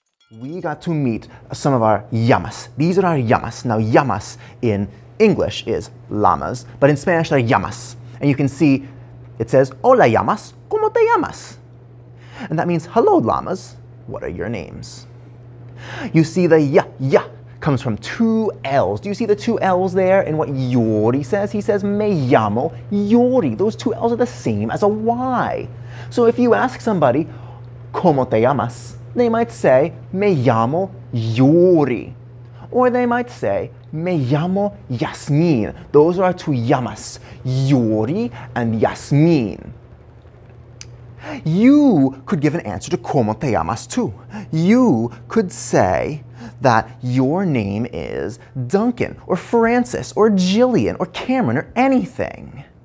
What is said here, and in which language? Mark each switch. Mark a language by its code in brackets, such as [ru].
[en] We got to meet some of our llamas. These are our llamas. Now, llamas in English is llamas, but in Spanish they're llamas. And you can see it says, [es] hola llamas, ¿cómo te llamas? [en] And that means, hello llamas, what are your names? You see the ya, ya comes from two L's. Do you see the two L's there in what Yori says? He says, [es] me llamo Yori. [en] Those two L's are the same as a Y. So if you ask somebody, [es] ¿cómo te llamas? [en] They might say, [es] me llamo Yuri. [en] Or they might say, [es] me llamo Yasmin. [en] Those are our two llamas, Yuri and Yasmin. You could give an answer to [es] como te llamas [en] too. You could say that your name is Duncan or Francis or Jillian or Cameron or anything.